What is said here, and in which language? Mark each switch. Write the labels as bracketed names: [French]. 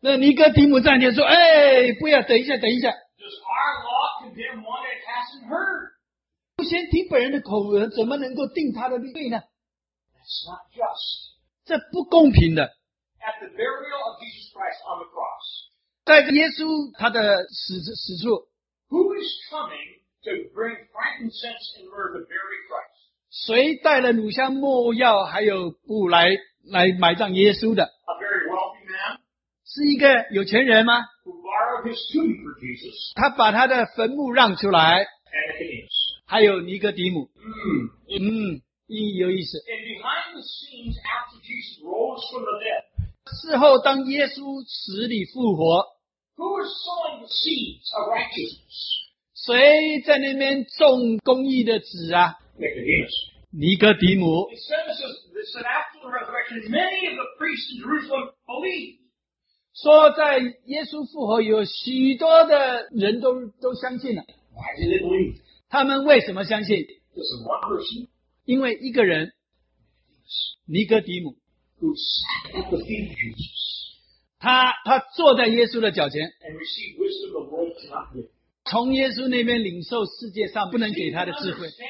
[Chinese] 那尼哥底母站起来说，哎，不要，等一下，等一下。 [English] Does our law condemn one that hasn't heard? [Chinese] 不先听本人的口吻，怎么能够定他的罪呢？ [English] That's not just. [Chinese] 这不公平的。 [English] At the burial of Jesus Christ on the cross. [Chinese] 在耶稣他的死处。 [English] Who is coming to bring frankincense and myrrh to bury Christ? [Chinese] 谁带了乳香末药还有布来埋葬耶稣的 [English] A very wealthy man, [Chinese] 是一个有钱人吗 [English] who borrowed his tomb for Jesus, [Chinese] 他把他的坟墓让出来 [English] and Nicodemus, [Chinese] 还有尼哥底母、有意思 [English] and behind the scenes after Jesus rose from the dead, [Chinese] 事后当耶稣死里复活 [English] who is sowing the seeds of righteousness? [Chinese] 谁在那边种公义的籽啊尼哥底母。 [English] It says that after the resurrection, many of the priests in Jerusalem believed. [Chinese] 说在耶稣复活有许多的人都相信了。 [English] Why did they believe? [Chinese] 他们为什么相信? [English] Just one person. [Chinese] 因为一个人, [English] Nicodemus, who sat at the feet of Jesus. [Chinese] 他坐在耶稣的脚前, [English] and received wisdom the world cannot give. [Chinese] 从耶稣那边领受世界上不能给他的智慧。